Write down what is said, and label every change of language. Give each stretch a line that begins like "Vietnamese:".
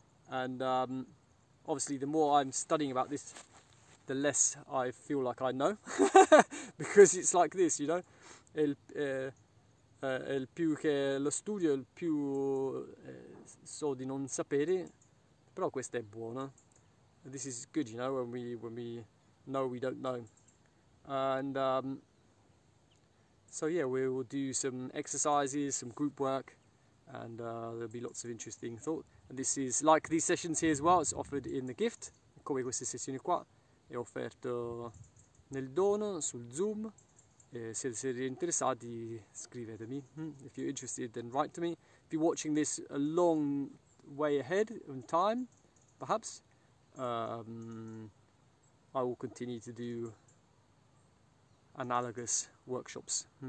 English: And obviously, the more I'm studying about this, the less I feel like I know, because it's like this, you know?
Italian: Il più che lo studio, il più so di non sapere, però questa è buona.
English: This is good, you know, when we know we don't know. And so yeah, we will do some exercises, some group work, and there'll be lots of interesting thought. And this is like these sessions here as well. It's offered in the gift.
Italian: Come queste sessioni qua, è offerto nel dono sul Zoom. Se siete interessati, scrivetemi.
English: If you're interested, then write to me. If you're watching this a long way ahead in time, perhaps, I will continue to do analogous workshops.